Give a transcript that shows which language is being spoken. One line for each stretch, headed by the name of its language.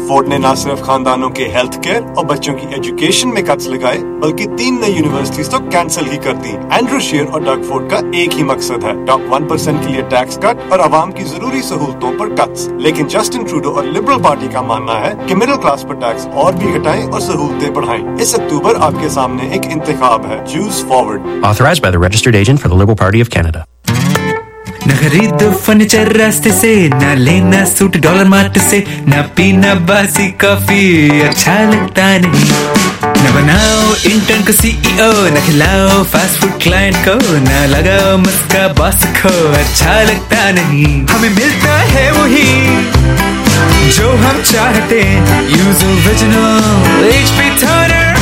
Hindi: Ford ने न सिर्फ खानदानों के हेल्थ केयर और बच्चों की एजुकेशन में कर्ज लगाए, बल्कि 3 नई यूनिवर्सिटीज तो कैंसिल ही कर दी. एंड्रू शेयर और डग फोर्ड का एक ही मकसद है, टॉप 1% के लिए टैक्स कट और आवाम की जरूरी सहूलतों पर कट्स. लेकिन जस्टिन ट्रूडो और लिबरल पार्टी का मानना है कि मिडिल क्लास पर टैक्स और भी घटाएं और सहूलतें बढ़ाएं. इस अक्टूबर आपके सामने एक इंतखाब है.
English: Choose forward. Authorized by the registered agent for the Liberal Party of Canada.
Hindi: खरीद फर्नीचर रास्ते से, ना लेना सूट डॉलर मार्ट से, ना पीना बासी कॉफी अच्छा लगता नहीं, ना बनाओ इंटर्न को सीईओ, ना खिलाओ फास्ट फूड क्लाइंट को, ना लगाओ मस्का बॉस को अच्छा लगता नहीं, हमें मिलता है वही जो हम चाहते, यूज ओरिजिनल एचपी टोनर.